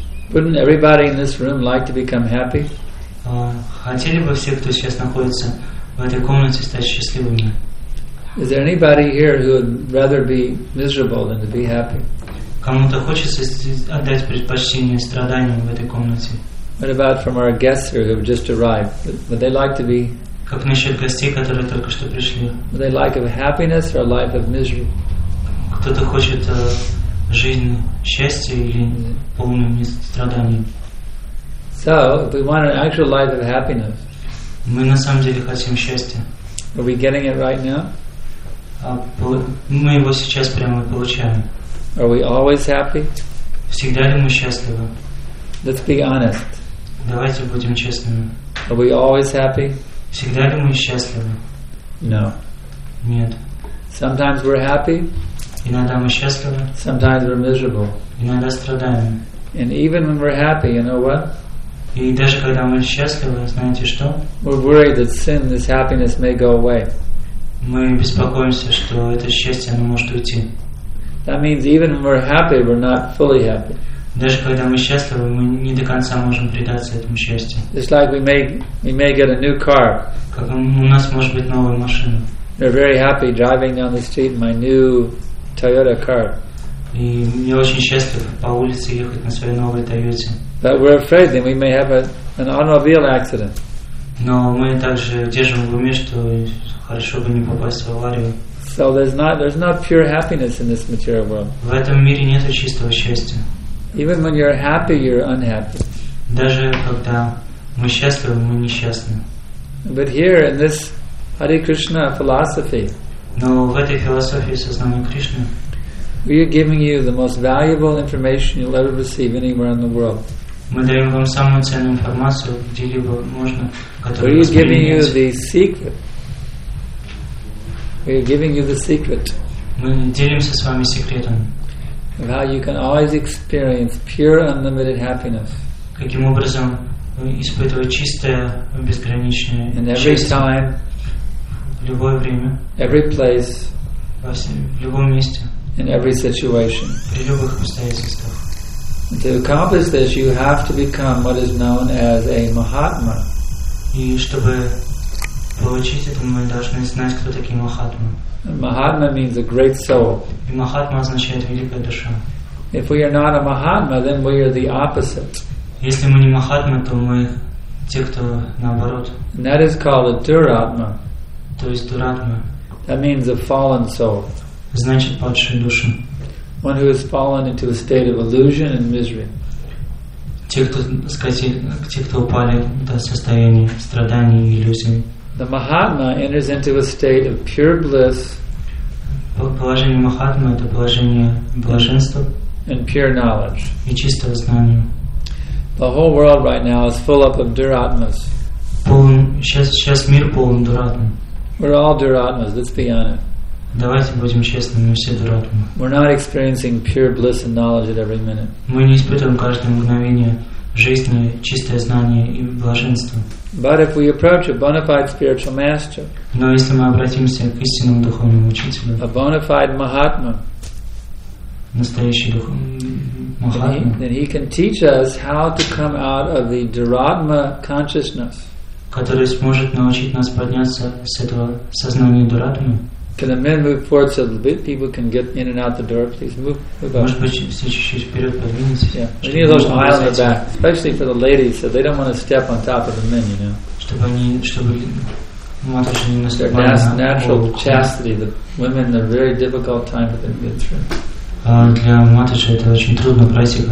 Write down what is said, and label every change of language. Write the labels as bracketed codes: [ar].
[en] Wouldn't everybody in this room like to become happy? [ru] Хотели бы все, кто сейчас находится в этой комнате, стать счастливыми? [en] Is there anybody here who would rather be miserable than to be happy? [ru] Кому-то хочется отдать предпочтение страданиям в этой комнате? [en] What about from our guests here who have just arrived? Would they like to be? [ru] Как насчет гостей, которые только что пришли? [en] Would they like a happiness or a life of misery? [ru] Кто-то хочет жизнь счастья или полную страданий? [en] So, if we want an actual life of happiness. [ru] Мы на самом деле хотим счастья. [en] Are we getting it right now? [ru] Мы его сейчас прямо получаем. [en] Are we always happy? [ru] Всегда ли мы счастливы? [en] Let's be honest. [ru] Давайте будем честными. [en] Are we always happy? [ru] Всегда ли мы счастливы? [en] No. [ru] Нет. [en] Sometimes we're happy. [ru] Иногда мы счастливы. [en] Sometimes we're miserable. [ru] Иногда страдаем. [en] And even when we're happy, you know what? [ru] И даже когда мы счастливы, знаете что? [en] We're worried that sin, this happiness may go away. [ru] Мы беспокоимся, что это счастье, оно может уйти. [en] That means even when we're happy, we're not fully happy. [ru] Даже когда мы счастливы, мы не до конца можем предаться этому счастью. [en] It's like we may get a new car. [ru] Как у нас может быть новая машина. [en] We're very happy driving down the street in my new Toyota car. [ru] И я очень счастлив по улице ехать на своей новой Toyota. [en] But we're afraid that we may have an automobile accident. [ru] Но мы также держим в уме, что хорошо бы не попасть в аварию. [en] So there's not pure happiness in this material world. [ru] В этом мире нет чистого счастья. [en] Even when you're happy, you're unhappy. [ru] Даже когда мы счастливы, мы несчастны. [en] But here in this Hare Krishna philosophy, [ru] Но в этой философии сознания Кришны [en] we are giving you the most valuable information you'll ever receive anywhere in the world. [ru] Мы даем вам самую ценную информацию, где-либо можно, которую [en] we are giving you the secret. We are giving you the secret. [ru] Мы делимся с вами секретом. [en] How you can always experience pure unlimited happiness. [ru] Каким образом испытывать чистое безграничное [en] And every [ru] счастье. [en] Time, [ru] в любое время. [en] Every place. [ru] В любом месте. [en] In every situation. [ru] При любых обстоятельствах. [en] To accomplish this, you have to become what is known as a Mahatma. [ru] И чтобы получить это, мы должны знать, кто такой Махатма. [en] Mahatma means a great soul. [ru] И Махатма означает великая душа. [en] If we are not a Mahatma, then we are the opposite. [ru] Если мы не Махатма, то мы те, кто наоборот. [en] And that is called a Duratma. [ru] То есть Дуратма. [en] That means a fallen soul. [ru] Значит, падшая душа. [en] One who has fallen into a state of illusion and misery. [ru] Те, кто упали до состояния страданий и иллюзий. [en] The Mahatma enters into a state of pure bliss. [ru] Положение Махатмы это положение блаженства. [en] And pure knowledge. [ru] И чистого знания. [en] The whole world right now is full up of Duratmas. [ru] Полон, сейчас мир полон Дуратм. [en] We're all Duratmas, let's be honest. [ru] Давайте будем честными, мы все дуратмы. [en] We're not experiencing pure bliss and knowledge at every minute. [ru] Мы не испытываем каждое мгновение жизни чистое знание и блаженство. [en] But if we approach a bona fide spiritual master, [ru] но если мы обратимся к истинному духовному учителю, [en] a bona fide Mahatma, [ru] настоящий духовный Mahatma, [en] then he can teach us how to come out of the Duratma consciousness, [ru] который сможет научить нас подняться с этого сознания дуратмы. [en] Can the men move forward so that people can get in and out the door, please? Move up. Yeah. We need those aisles in the back, especially for the ladies, so they don't want to step on top of the men, you know. Natural chastity. The women have a very difficult time for them to get through.